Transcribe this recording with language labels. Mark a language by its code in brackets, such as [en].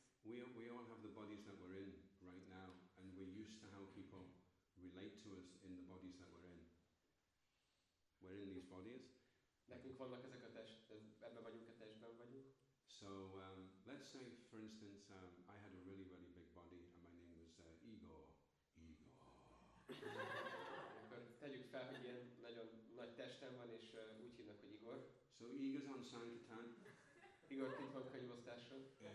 [en] If we all have the bodies that we're in right now, and we're used to how people relate to us in the bodies that we're in. We're in these bodies. [hu] Nekünk vannak ezek a ebben vagyunk, a testben vagyunk. [en] So let's say, for instance, I had a really, really big body, and my name was Igor. Igor. [hu] Akkor tegyük fel, hogy ilyen nagyon nagy testem van, és úgy hívnak, hogy Igor. [en] So Igor's on Sankirtan. [hu] Igor, kint van könyvosztáson.